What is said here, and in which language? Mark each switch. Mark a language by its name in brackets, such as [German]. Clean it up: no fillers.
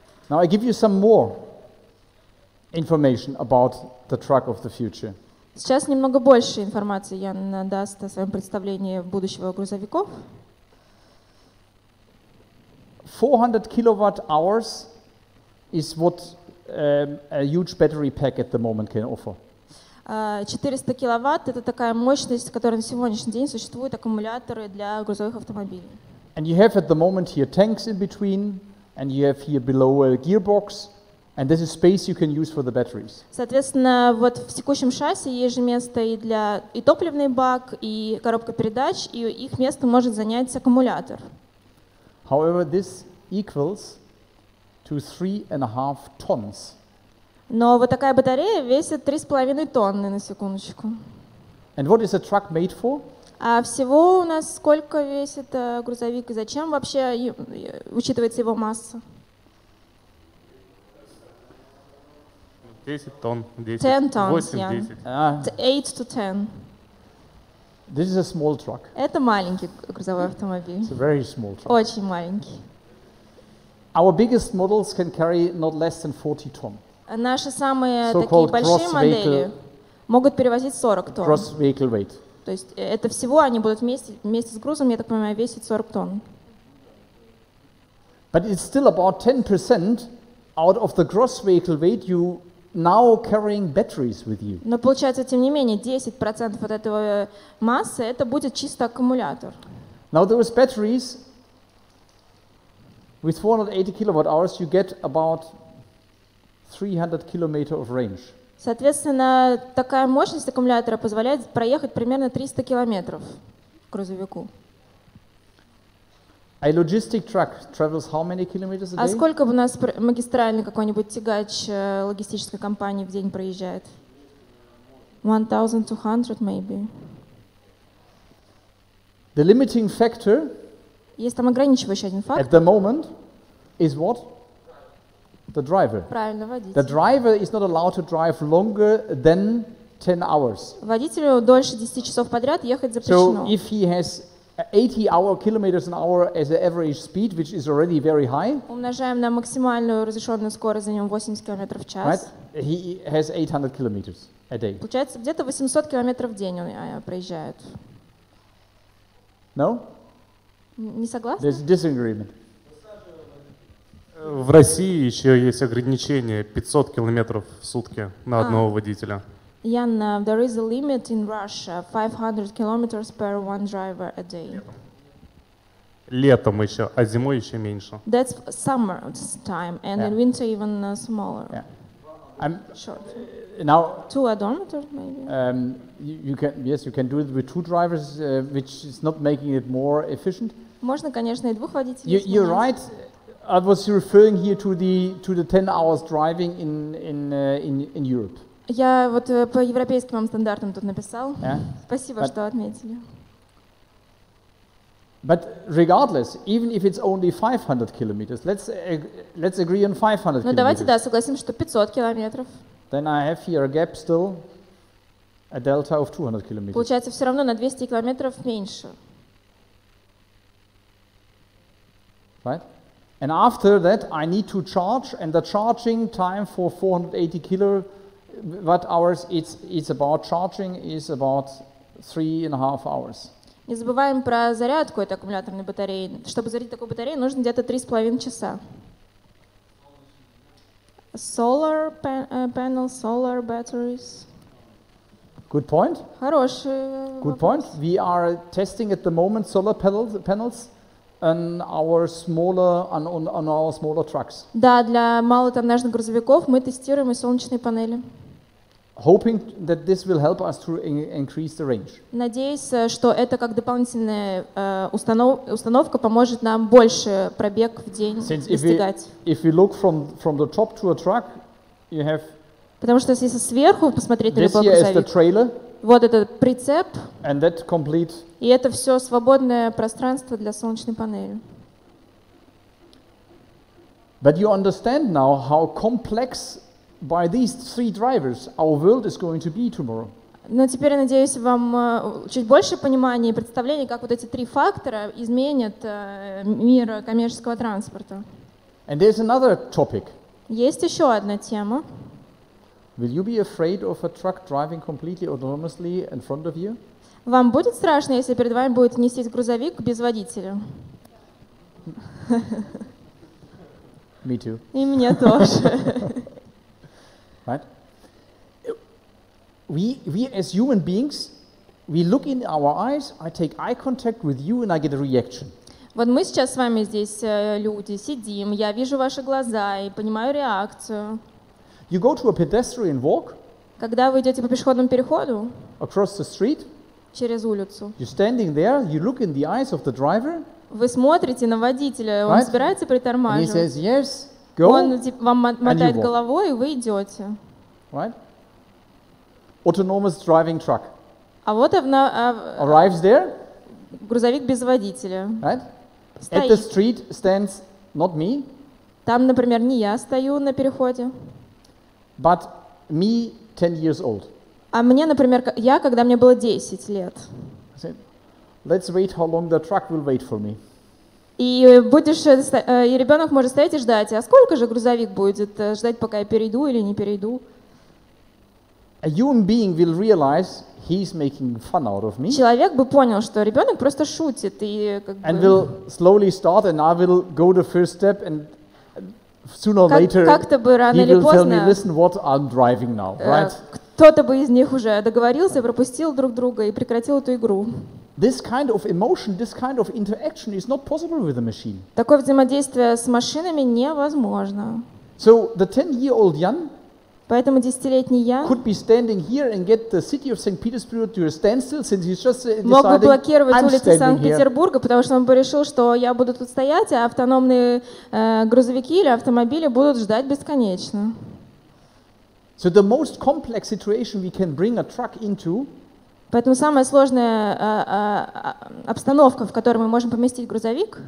[English] Now I give you some more information about the truck of the future. [Russian] Сейчас немного больше информации Ян даст о своем представлении будущего грузовиков. [English] 400 kilowatt hours is what a huge battery pack at the moment can offer. [Russian] 400 киловатт это такая мощность, которая на сегодняшний день существует аккумуляторы для грузовых автомобилей. [English] And you have at the moment here tanks in between. And you have here below a gearbox, and this is space you can use for the batteries. [Russian] Соответственно, вот в текущем шасси есть же место и для и топливный бак, и коробка передач, и их место может занять аккумулятор. [English] However, this equals to 3.5 tons. [Russian] Но вот такая батарея весит 3.5 тонны на секундочку. [English] And what is a truck made for? [Russian] А всего у нас сколько весит грузовик и зачем вообще учитывается его масса? 10 тонн. 10 тонн. 8-10. 8-10. 8-10. [English] This is a small truck. [Russian] Это маленький грузовой автомобиль. [English] It's a very small truck. [Russian] Очень маленький. [English] Our biggest models can carry not less than 40 ton. [Russian] Наши самые такие большие модели могут перевозить 40 тонн. [English] Cross vehicle weight. [Russian] То есть это всего они будут вместе с грузом, я так понимаю, весить 40 тонн. [English] But it's still about 10% out of the gross vehicle weight you now carrying batteries with you. [Russian] Но получается, тем не менее, 10% от этого массы это будет чисто аккумулятор. [English] Now those batteries with 480 kilowatt hours you get about 300 kilometers of range. [Russian] Соответственно, такая мощность аккумулятора позволяет проехать примерно 300 километров грузовику. [English] A logistic truck travels how many kilometers a day? [Russian] А сколько у нас магистральный какой-нибудь тягач логистической компании в день проезжает? [English] 1200 maybe. The limiting factor. [Russian] Есть там ограничивающий один фактор. [English] At the moment is what? The driver. [Russian] Правильно, водитель. [English] The driver is not allowed to drive longer than 10 hours. [Russian] Водителю дольше 10 часов подряд ехать запрещено. [English] So if he has 80 hour kilometers an hour as the average speed, which is already very high. [Russian] Умножаем на максимальную разрешенную скорость за ним 80 километров в час. [English] Right? He has 800 kilometers a day. [Russian] Получается где-то 800 километров в день он проезжает. [English] No? [Russian] Не согласны? [English] There's a disagreement. [Russian] В России еще есть ограничение 500 километров в сутки на одного водителя. [English] Ян, there is a limit in Russia, 500 kilometers per one driver a day. [Russian] Летом еще, а зимой еще меньше. [English] That's summer time, and in winter even smaller. Yeah. I'm short. Now, two odometers maybe. You can do it with two drivers, which is not making it more efficient. [Russian] Можно, конечно, и двух водителей. [English] You're right. I was referring here to the 10 hours driving in Europe. [Russian] Я вот по европейским вам стандартам тут написал. [English] Yeah. [Russian] Спасибо, что отметили. [English] But regardless, even if it's only 500 kilometers, let's agree on 500 kilometers. [Russian] Ну давайте да, согласимся, что 500 километров. [English] Then I have here a gap still, a delta of 200 kilometers. [Russian] Получается, все равно на 200 километров меньше. [English] Right? And after that, I need to charge, and the charging time for 480 kilowatt hours, it's about charging is about 3.5 hours. [Russian] Не забываем про зарядку этой аккумуляторной батареи. Чтобы зарядить такую батарею, нужно где-то 3.5 часа. [English] Solar panel, solar batteries. Good point. [Russian] Хороший. [English] Good point. We are testing at the moment solar panels. And our smaller on our smaller trucks. [Russian] Да, для малотоннажных грузовиков мы тестируем и солнечные панели. [English] Hoping that this will help us to increase the range. [Russian] Надеюсь, что это как дополнительная установка поможет нам больше пробег в день [English] Since [Russian] достигать. [English] If we look from the top to a truck, you have. [Russian] Потому что если сверху посмотреть на любой грузовик. [English] This here is the trailer. [Russian] Вот этот прицеп. [English] And that complete. [Russian] И это все свободное пространство для солнечной панели. [English] But you understand now how complex by these three drivers our world is going to be tomorrow. [Russian] Но теперь, я надеюсь, вам чуть больше понимания и представления, как вот эти три фактора изменят мир коммерческого транспорта. [English] And there's another topic. [Russian] Есть еще одна тема. [English] Will you be afraid of a truck driving completely autonomously in front of you? [Russian] Вам будет страшно, если перед вами будет нестись грузовик без водителя? [English] Me too. [Russian] И мне тоже. [English] Right? We as human beings, we look in our eyes, I take eye contact with you and I get a reaction. [Russian] Вот мы сейчас с вами здесь люди сидим, я вижу ваши глаза и понимаю реакцию. [English] You go to a pedestrian walk? [Russian] Когда вы идёте по пешеходному переходу? [English] Across the street? [Russian] Через улицу. [English] You're standing there, you look in the eyes of the driver? [Russian] Вы смотрите на водителя, он собирается притормаживать. [English] He says yes, go. [Russian] Он вам мотает головой, и вы идёте. [English] Right? Autonomous driving truck. [Russian] А вот она [English] arrives there? [Russian] Грузовик без водителя. [English] Right? At the street stands not me. [Russian] Там, например, не я стою на переходе. [English] But me 10 years old. [Russian] А мне, например, я, когда мне было 10 лет. [English] I said, let's wait how long the truck will wait for me. [Russian] И будешь, и ребенок может стоять и ждать. А сколько же грузовик будет ждать, пока я перейду или не перейду? [English] A human being will realize he's making fun out of me. [Russian] Человек бы понял, что ребенок просто шутит и как [English] and [Russian] бы. [English] Will slowly start, and I will go the first step, and sooner or later [Russian] как-то бы рано [English] he [Russian] или [English] will [Russian] поздно [English] tell me, listen, what I'm driving now, right? [Russian] Кто-то бы из них уже договорился, пропустил друг друга и прекратил эту игру. [English] This kind of emotion, this kind of interaction is not possible with a machine. [Russian] Такое взаимодействие с машинами невозможно. [English] So the 10-year-old Jan [Russian] поэтому 10-летний Ян [English] could be standing here and get the city of St. Petersburg to a standstill since he's just deciding, [Russian] мог бы блокировать улицы Санкт-Петербурга, потому что он бы решил, что я буду тут стоять, а автономные грузовики или автомобили будут ждать бесконечно. [English] So the most complex situation we can bring a truck into. [Russian] Поэтому самая сложная обстановка, в которой мы можем поместить грузовик,